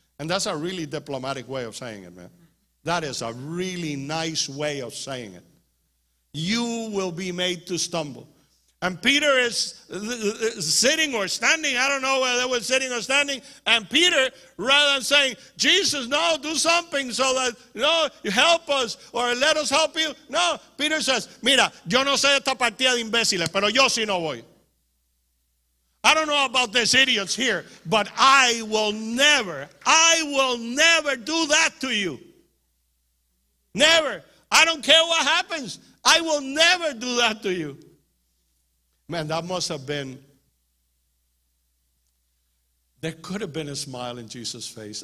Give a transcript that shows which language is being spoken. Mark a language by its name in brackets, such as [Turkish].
[English] And that's a really diplomatic way of saying it, man. That is a really nice way of saying it. You will be made to stumble. And Peter is sitting or standing. I don't know whether they were sitting or standing. And Peter, rather than saying, Jesus, no, do something so that, no, help us or let us help you. No, Peter says, [Spanish] mira, yo no sé esta partida de imbéciles, pero yo sí no voy. [English] I don't know about these idiots here, but I will never do that to you. Never. I don't care what happens. I will never do that to you. Man, that must have been, there could have been a smile in Jesus' face.